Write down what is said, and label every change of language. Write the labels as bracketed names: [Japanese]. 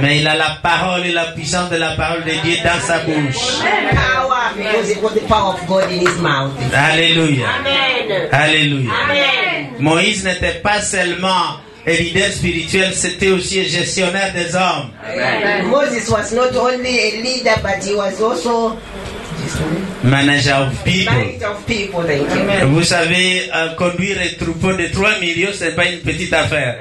[French] Mais il a la parole et la puissance de la parole de Dieu dans sa bouche. Alléluia. Alléluia. Moïse n'était pas seulement un leader spirituel, c'était aussi un gestionnaire des hommes. [English] Moses was not only a leader, but he was also manager of people. Thank you. [French] Vous savez, conduire un troupeau de 3 millions, ce n'est pas une petite affaire.